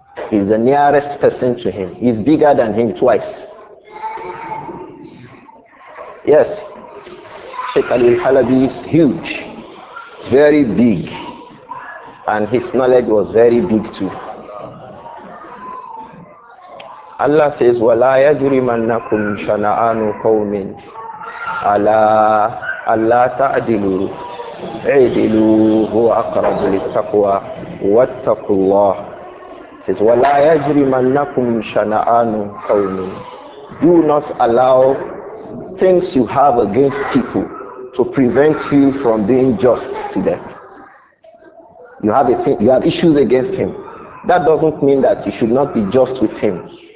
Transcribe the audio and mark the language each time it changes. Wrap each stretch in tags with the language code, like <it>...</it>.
<en>He's the nearest person to him. He's bigger than him twice. Yes, Sheikh Ali Al Halabi is huge, very big, and his knowledge was very big too. Allah says,</en> <ar>وَلَا يَجْرِمَنَّكُمْ شَنَآنُ قَوْمٍ عَلَىٰ أَلَّا تَعْدِلُوا عِدِلُوا هُوَ أَقْرَبُ لِلتَّقْوَىٰ وَاتَّقُوا اللَّهِ.</ar> <en>It says,</en> <ar>وَلَا يَجْرِمَنَّكُمْ شَنَآنُ قَوْمٍ.</ar> <en>Do not allow things you have against people to prevent you from being just to them. You have a thing, you have issues against him. That doesn't mean that you should not be just with him.</en>